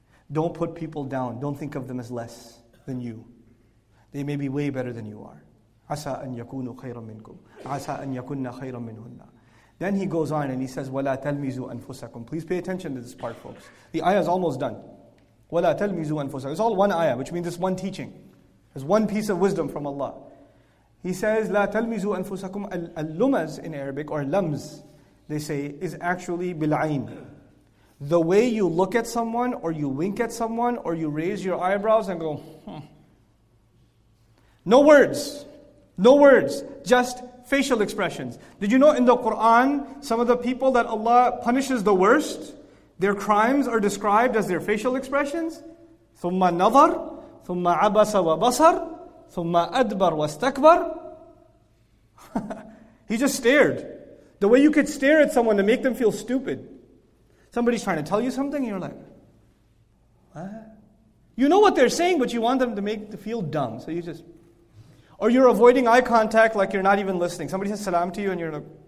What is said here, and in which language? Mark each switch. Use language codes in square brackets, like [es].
[en] Don't put people down. Don't think of them as less than you. They may be way better than you are. [ar] عَسَىٰ أَن يَكُونُوا خَيْرًا مِنْكُمْ عَسَىٰ أَن يَكُنَّ خَيْرًا مِنْهُنَّ. [en] Then he goes on and he says, [ar] وَلَا تَلْمِزُوا أَنفُسَكُمْ. [en] Please pay attention to this part, folks. The ayah is almost done. [ar] وَلَا تَلْمِزُوا أَنفُسَكُمْ. [en] It's all one ayah, which means it's one teaching. It's one piece of wisdom from Allah. He says, [ar] لَا تَلْمِزُوا أَنفُسَكُمْ. [en] اللُّمَز in Arabic, or lams, they say, is actually [ar] بِالْعَيْن. [en] The way you look at someone, or you wink at someone, or you raise your eyebrows and go, No words. Just facial expressions. Did you know in the Quran, some of the people that Allah punishes the worst, their crimes are described as their facial expressions? [ar] ثُمَّ نَظَرْ ثُمَّ عَبَسَ وَبَصَرْ ثُمَّ أَدْبَرْ وَاسْتَكْبَرْ [en] He just stared. The way you could stare at someone to make them feel stupid. Somebody's trying to tell you something, and you're like, what? You know what they're saying, but you want them to make them feel dumb. So you just... Or you're avoiding eye contact like you're not even listening. Somebody says salam to you and you're like...